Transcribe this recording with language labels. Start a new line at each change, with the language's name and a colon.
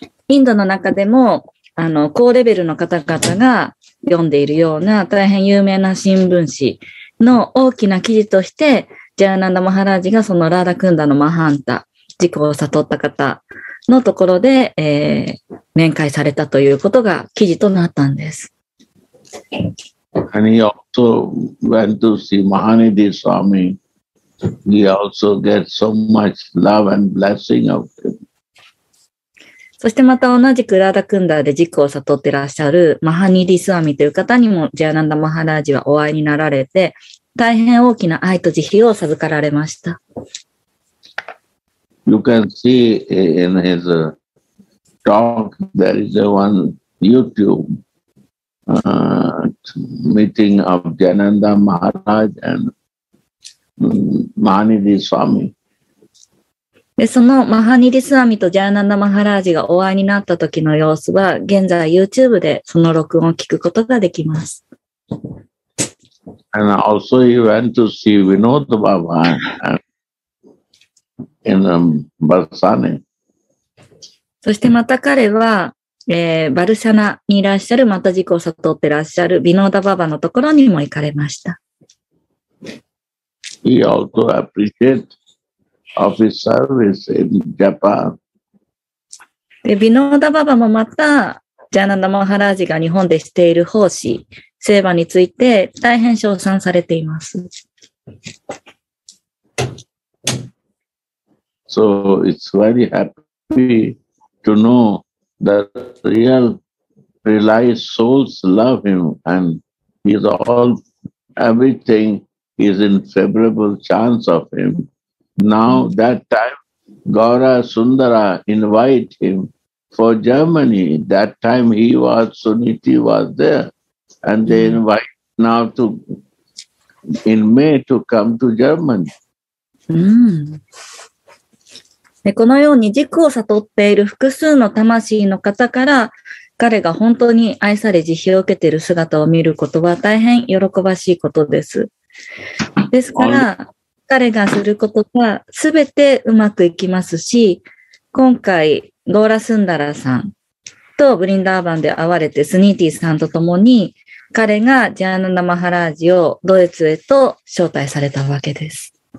Japanese: インドの中でも高レベルの方々が読んでいるような大変有名な新聞紙の大きな記事としてジャーナンダ・マハラジがそのラーダ・クンダのマハンタ自己を悟った方のところで、面会されたということが記事となったんです。
English: And he also went to see Mahanidhi Swami. He also get so much love and blessing of him.
Japanese: そしてまた同じくラーダクンダーで自己を悟ってらっしゃるマハニディスワミという方にもジャーナンダ・マハラージはお会いになられて大変大きな愛と慈悲を授かられました。
English: You can see in his talk, there is a one YouTube meeting of Jananda Maharaj and Mahanidhi Swami.
Japanese: で、そのマハニディスワミとジャーナンダ・マハラージがお会いになった時の様子は、現在 YouTube でその録音を聞くことができます。
English: And also he went to see Vinod Baba in Barsane.
Japanese: そしてまた彼は、バルシャナにいらっしゃる、また事故を悟ってらっしゃるヴィノーダ・ババのところにも行かれました。
English: He also appreciated of his service in Japan.
Japanese: で、ヴィノーダ・ババもまた、ジャーナンダ・マハラージが日本でしている奉仕、セーバについて大変称賛されています。
English: So it's very happy to know that real realized souls love him and he's all, everything is in favorable chance of him. Now that time, Gaura Sundara invite him for Germany. That time he was, Suniti was there. And they invite now to, in May, to come to Germany.
Japanese: で、このように軸を悟っている複数の魂の方から、彼が本当に愛され慈悲を受けている姿を見ることは大変喜ばしいことです。ですから、彼がすることがすべてうまくいきますし、今回、ゴーラ・スンダラさんとブリンダーバンで会われてスニーティーさんと共に、彼がジャーナンダ・マハラージをドイツへと招待されたわけです。